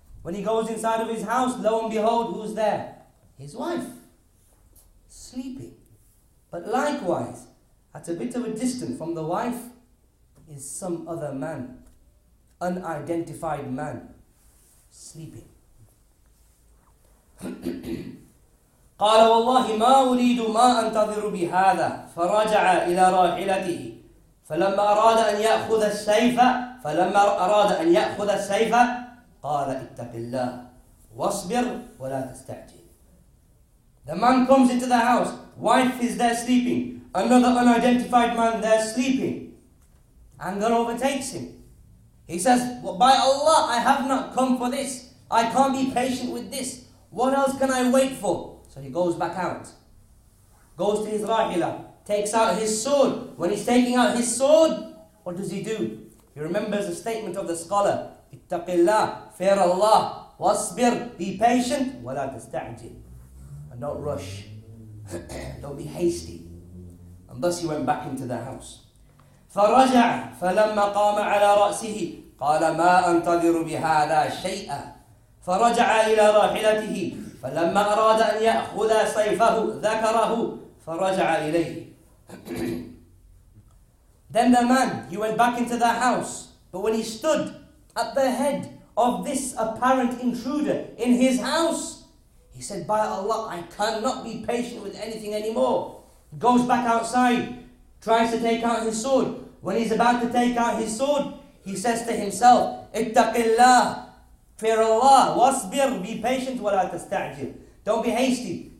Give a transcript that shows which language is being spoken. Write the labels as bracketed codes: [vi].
[en] When he goes inside of his house, lo and behold, who's there? His wife, sleeping. But likewise, at a bit of a distance from the wife, is some other man, unidentified man, sleeping. [ar] قال والله ما أريد ما أنتظر بهذا فرجع إلى راحلته فلما أراد أن يأخذ السيف فلما أراد أن يأخذ السيف قال اتق الله واصبر ولا تستعجل. [en] The man comes into the house. Wife is there sleeping. Another unidentified man there sleeping. Anger overtakes him. He says, well, by Allah, I have not come for this. I can't be patient with this. What else can I wait for? So he goes back out. Goes to his rahila. Takes out his sword. When he's taking out his sword, what does he do? He remembers the statement of the scholar. Ittaqillah, fear Allah. Wasbir, be patient. Wala tasta'jil. And don't rush. Don't be hasty. And thus he went back into the house. [ar] فرجع فلما قام على رأسه قال ما أنتظر بهذا شيئا فرجع إلى راحلته فلما أراد أن يأخذ سيفه ذكره فرجع إليه. [en] Then the man, he went back into the house, but when he stood at the head of this apparent intruder in his house, he said, by Allah, I cannot be patient with anything anymore. Goes back outside, tries to take out his sword. When he's about to take out his sword, he says to himself, ittaqillah, fear Allah, wasbir, be patient, wala tasta'jil, don't be hasty.